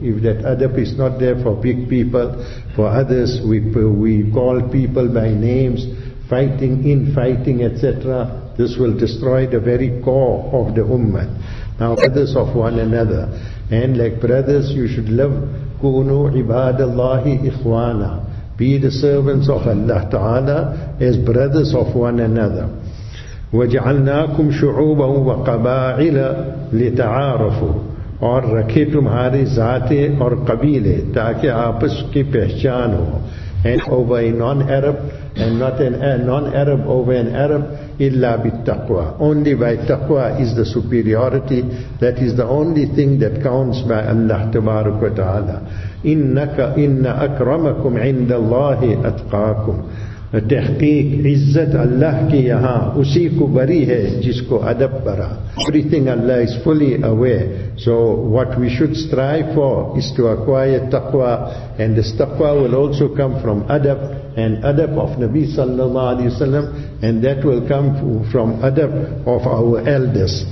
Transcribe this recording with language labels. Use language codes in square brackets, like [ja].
[en] If that adab is not there for big people, for others, we call people by names, fighting, infighting, etc., this will destroy the very core of the ummah. Now, brothers of one another, and like brothers, you should love, [ar] kunu ibadallahi ikhwana, [en] be the servants of Allah Ta'ala as brothers of one another. [ar] وَجَعَلْنَاكُمْ شُعُوبًا وَقَبَائِلَ لِتَعَارَفُوا [ur] اور رکھے تمہارے ذاتیں اور قبیلے تاکہ آپس کی پہچان ہو. [en] and over a non-Arab, and not a non-Arab over an Arab, [ar] illa bittaqwa. [en] Only by taqwa is the superiority. That is the only thing that counts by Allah tabaraka wa ta'ala. [ar] Inna akramakum inda Allahi atqakum. [ur] تحقیق عزت اللہ کی یہاں اسی کو بری ہے جس کو ادب برا. [en] Everything Allah is fully aware. So what we should strive for is to acquire taqwa, and this taqwa will also come from adab, and adab of Nabi sallallahu alayhi wa sallam, and that will come from adab of our elders.